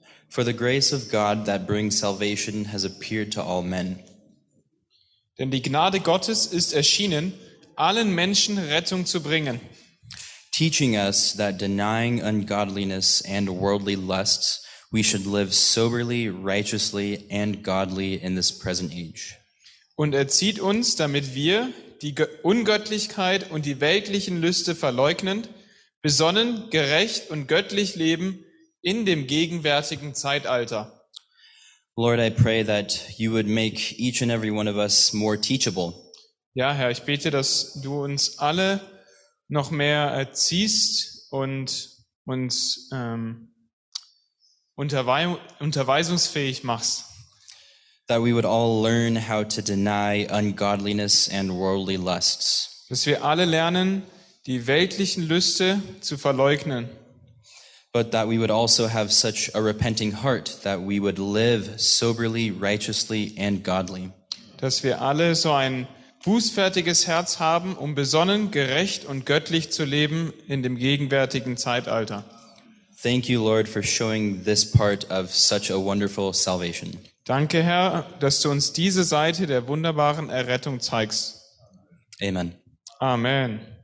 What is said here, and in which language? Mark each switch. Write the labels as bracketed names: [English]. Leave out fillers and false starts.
[English] For the grace of God that brings salvation has appeared to all men. [German] Denn die Gnade Gottes ist erschienen, allen Menschen Rettung zu bringen. [English] Teaching us that denying ungodliness and worldly lusts, we should live soberly, righteously and godly in this present age. [German] Und erzieht uns, damit wir die Ungöttlichkeit und die weltlichen Lüste verleugnend, besonnen, gerecht und göttlich leben in dem gegenwärtigen Zeitalter. [English] Lord, I pray that you would make each and every one of us more teachable. [German] Ja, Herr, ich bete, dass du uns alle noch mehr erziehst und uns unterweisungsfähig machst. [English] That we would all learn how to deny ungodliness and worldly lusts. [German] Dass wir alle lernen, die weltlichen Lüste zu verleugnen. [English] But that we would also have such a repenting heart that we would live soberly, righteously and godly. [German] Dass wir alle so ein bußfertiges Herz haben, um besonnen, gerecht und göttlich zu leben in dem gegenwärtigen Zeitalter. [English] Thank you, Lord, for showing this part of such a wonderful salvation. [German] Danke, Herr, dass du uns diese Seite der wunderbaren Errettung zeigst. [English] Amen. [German] Amen.